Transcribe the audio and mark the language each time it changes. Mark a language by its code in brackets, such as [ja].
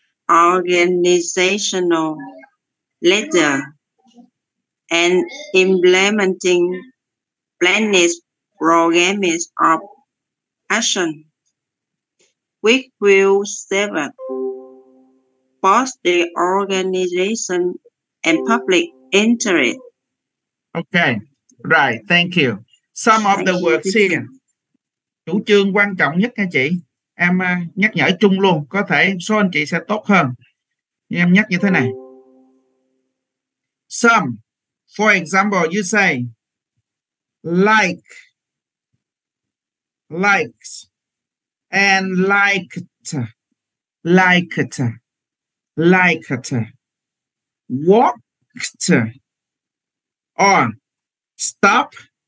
[en] Organizational leader and implementing planning programs of action. Week will serve both the organization and public interest. Okay, right, thank you. Some of the words here. [vi] Chủ trương quan trọng nhất nha chị. Em nhắc nhở chung luôn, có thể số anh chị sẽ tốt hơn. Nhưng em nhắc như thế này. [en] Some, for example, you say, liked, walked on, stopped.